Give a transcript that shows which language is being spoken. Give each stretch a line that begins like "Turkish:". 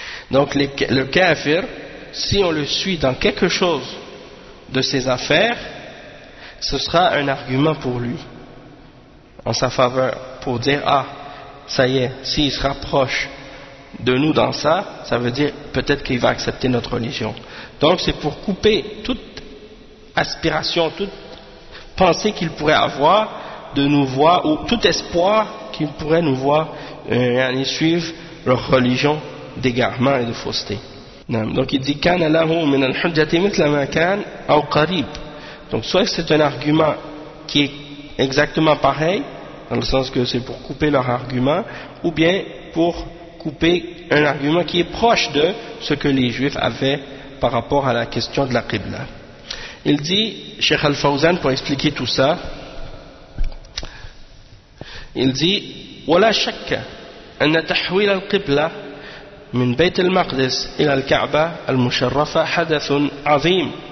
French: Donc le kafir, si on le suit dans quelque chose de ses affaires, ce sera un argument pour lui, en sa faveur, pour dire, ah, ça y est, s'il se rapproche de nous dans ça, ça veut dire peut-être qu'il va accepter notre religion. Donc c'est pour couper toute aspiration, toute pensée qu'il pourrait avoir de nous voir, ou tout espoir qu'il pourrait nous voir et suivre leur religion d'égarement et de fausseté. Donc il dit,
Arabic: كان له من الحجة مثل ما كان أو قريب.
French: Donc soit c'est un argument qui est exactement pareil, dans le sens que c'est pour couper leur argument, ou bien pour couper un argument qui est proche de ce que les juifs avaient par rapport à la question de la qibla. Il dit, Cheikh Al-Fawzan, pour expliquer tout ça, il dit,
Arabic: وَلَا شَكَّ أَنَّ تَحْوِيلَ الْقِبْلَةَ مِنْ بَيْتِ الْمَقْدِسِ إِلَى الْكَعْبَةَ الْمُشَرَّفَةَ حَدَثٌ عَظِيمٌ